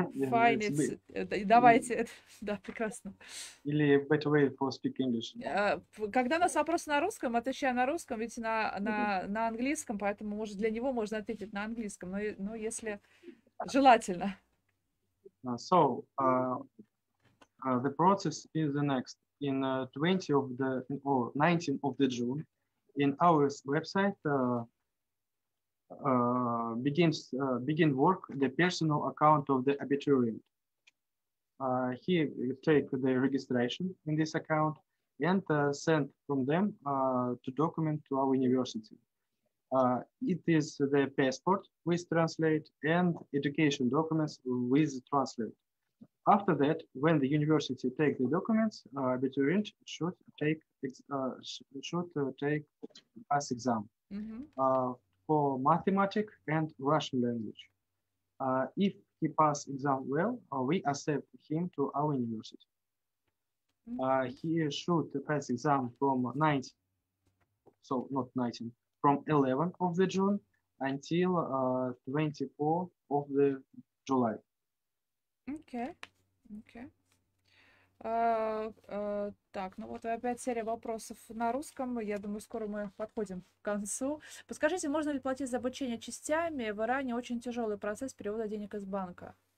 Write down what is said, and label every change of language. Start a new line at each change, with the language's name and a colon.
English: Fine,
Russian: давайте, да, прекрасно. Или
English: better way for speak English.
Russian: Когда нас вопрос на русском, отвечаю на русском, ведь на английском, поэтому может для него можно ответить на английском, но если желательно.
English: The process is the next. In 19 of the June, in our website, begin work the personal account of the abiturient. He take the registration in this account and send from them to document to our university. It is the passport with translate and education documents with translate. After that, when the university take the documents, abiturient should take us exam. Mm-hmm. For mathematics and Russian language. If he pass exam well, we accept him to our university. He should pass exam from 11th of the June until 24th of the July. Okay.
Russian: Так, ну вот опять серия вопросов на русском. Я думаю, скоро мы подходим к концу. Подскажите, можно ли платить за обучение частями? В Иране очень тяжелый процесс перевода денег из банка.